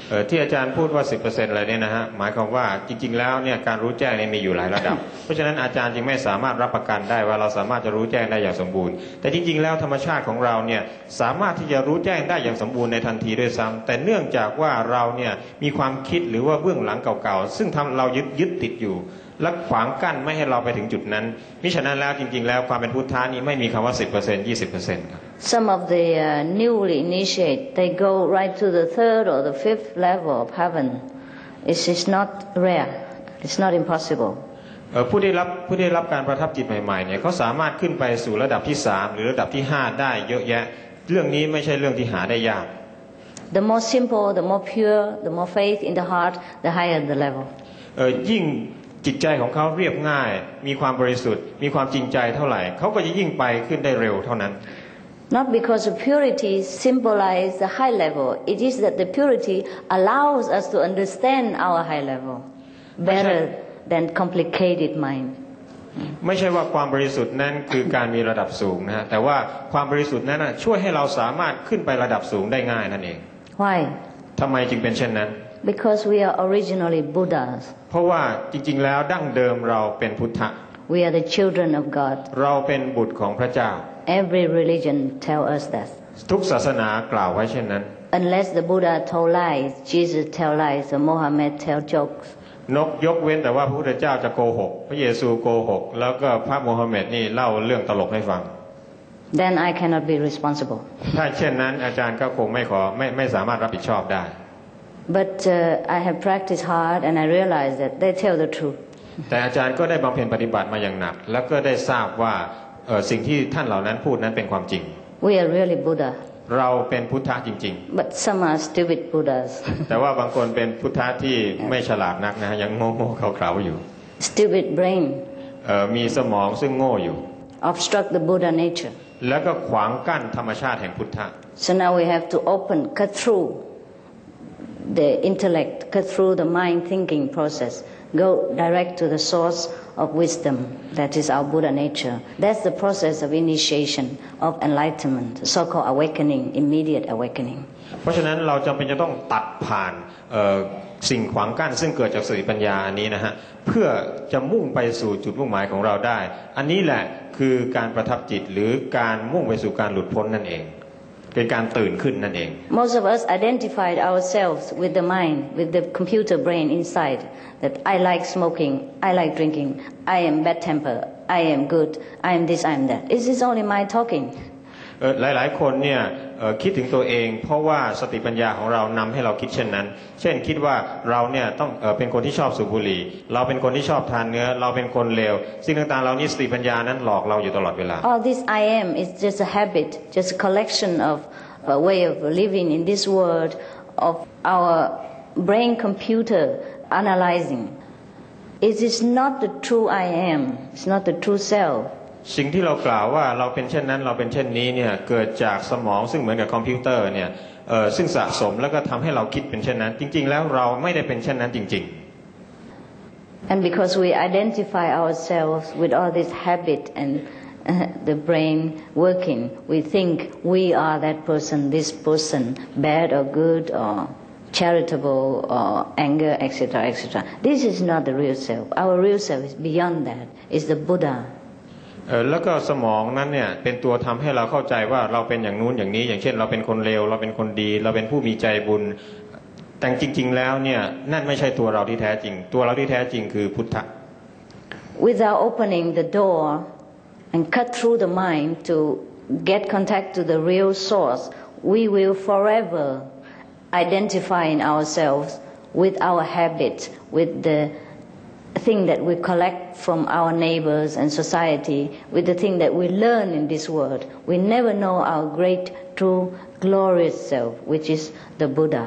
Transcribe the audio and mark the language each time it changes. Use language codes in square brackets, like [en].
[th] ที่อาจารย์พูดว่า 10% อะไรเนี่ยนะฮะหมายความว่าจริงๆแล้วเนี่ยการรู้แจ้งเนี่ยมีอยู่หลายระดับ เพราะฉะนั้นอาจารย์จึงไม่สามารถรับประกันได้ว่าเราสามารถจะรู้แจ้งได้อย่างสมบูรณ์แต่จริงๆแล้วธรรมชาติของเราเนี่ยสามารถที่จะรู้แจ้งได้อย่างสมบูรณ์ในทันทีด้วยซ้ำแต่เนื่องจากว่าเราเนี่ยมีความคิดหรือว่าเบื้องหลังเก่าๆซึ่งทำเรายยึดติดอยู่และขวางกั้นไม่ให้เราไปถึงจุดนั้นมิฉะนั้นแล้วจริงๆแล้วความเป็นพุทธะนี้ไม่มีคำว่า 10% 20% [en] Some of the newly initiated, they go right to the third or the fifth level of heaven. It's not rare. It's not impossible. [th] ผู้ได้รับการประทับจิตใหม่ๆเนี่ยเขาสามารถขึ้นไปสู่ระดับที่3หรือระดับที่5ได้เยอะแยะเรื่องนี้ไม่ใช่เรื่องที่หาได้ยาก [en] The more simple, the more pure, the more faith in the heart, the higher the level. [th] ยิ่งจิตใจของเขาเรียบง่ายมีความบริสุทธิ์มีความจริงใจเท่าไหร่เขาก็จะยิ่งไปขึ้นได้เร็วเท่านั้น [en] Not because the purity symbolizes the high level. It is that the purity allows us to understand our high level better than complicated mind. [th] ไม่ใช่ว่าความบริสุทธิ์นั้นคือการมีระดับสูงนะฮะแต่ว่าความบริสุทธิ์นั้นช่วยให้เราสามารถขึ้นไประดับสูงได้ง่ายนั่นเอง [en] Why? [th] ทำไมจึงเป็นเช่นนั้น [en] Because we are originally Buddhas. [th] เพราะว่าจริงๆแล้วดั้งเดิมเราเป็นพุทธะ [en] We are the children of God. [th] เราเป็นบุตรของพระเจ้า [en] Every religion tell us that. [th] ทุกศาสนากล่าวไว้เช่นนั้น [en] Unless the Buddha told lies, Jesus tell lies, or Mohammed tell jokes. [th] นกยกเว้นแต่ว่าพระพุทธเจ้าจะโกหกพระเยซูโกหกแล้วก็พระมูฮัมหมัดนี่เล่าเรื่องตลกให้ฟัง [en] Then I cannot be responsible. [th] ถ้าเช่นนั้นอาจารย์ก็คงไม่สามารถรับผิดชอบได้ [en] But I have practiced hard and I realize that they tell the truth. [th] แต่อาจารย์ก็ได้บำเพ็ญปฏิบัติมาอย่างหนักแล้วก็ได้ทราบว่าสิ่งที่ท่านเหล่านั้นพูดนั้นเป็นความจริง [en] We are really Buddha [th] เราเป็นพุทธะจริง [en] ๆ But some are stupid Buddhas [th] แต่ว่าบางคนเป็นพุทธะที่ไม่ฉลาดนักนะยังโง่ๆเขาเขาอยู่ [en] Stupid brain [th] มีสมองซึ่งโง่อยู่ [en] Obstruct the Buddha nature [th] แล้วก็ขวางกั้นธรรมชาติแห่งพุทธะ [en] So now we have to open cut through the intellect through the mind thinking process go direct to the source of wisdom, that is our Buddha nature. That's the process of initiation of enlightenment, so-called awakening, immediate awakening. [th] เพราะฉะนั้นเราจำเป็นจะต้องตัดผ่านสิ่งขวางกั้นซึ่งเกิดจากสติปัญญาอันนี้นะฮะเพื่อจะมุ่งไปสู่จุดมุ่งหมายของเราได้อันนี้แหละคือการประทับจิตหรือการมุ่งไปสู่การหลุดพ้นนั่นเองเป็นการตื่นขึ้นนั่นเอง [en] Most of us identified ourselves with the mind, with the computer brain inside that I like smoking, I like drinking, I am bad temper, I am good, I am this, I am that. Is this only my talking? [th] หลายๆคนเนี่ยคิดถึงตัวเองเพราะว่าสติปัญญาของเรานำให้เราคิดเช่นนั้นเช่นคิดว่าเราเนี่ยต้องเป็นคนที่ชอบสูบบุหรี่เราเป็นคนที่ชอบทานเนื้อเราเป็นคนเลวสิ่งต่างๆเหล่านี้สติปัญญานั้นหลอกเราอยู่ตลอดเวลา [en] All this I am is just a habit, just a collection of a way of living in this world of our brain computer analyzing. It is not the true I am. It's not the true self. [th] สิ่งที่เรากล่าวว่าเราเป็นเช่นนั้นเราเป็นเช่นนี้เนี่ยเกิดจากสมองซึ่งเหมือนกับคอมพิวเตอร์เนี่ยซึ่งสะสมแล้วก็ทำให้เราคิดเป็นเช่นนั้นจริงๆแล้วเราไม่ได้เป็นเช่นนั้นจริง [en] ๆ And because we identify ourselves with all this habit and the brain working we think we are that person this person bad or good or charitable or anger etc etc this is not the real self our real self is beyond that is the Buddha [th] แล้วก็สมองนั้นเนี่ยเป็นตัวทำให้เราเข้าใจว่าเราเป็นอย่างนู้นอย่างนี้อย่างเช่นเราเป็นคนเลวเราเป็นคนดีเราเป็นผู้มีใจบุญแต่จริงๆแล้วเนี่ยนั่นไม่ใช่ตัวเราที่แท้จริงตัวเราที่แท้จริงคือพุทธะ [en] Without opening the door and cut through the mind to get contact to the real source we will forever identifying ourselves with our habit with theThing that we collect from our neighbors and society, with the thing that we learn in this world, we never know our great, true, glorious self, which is the Buddha.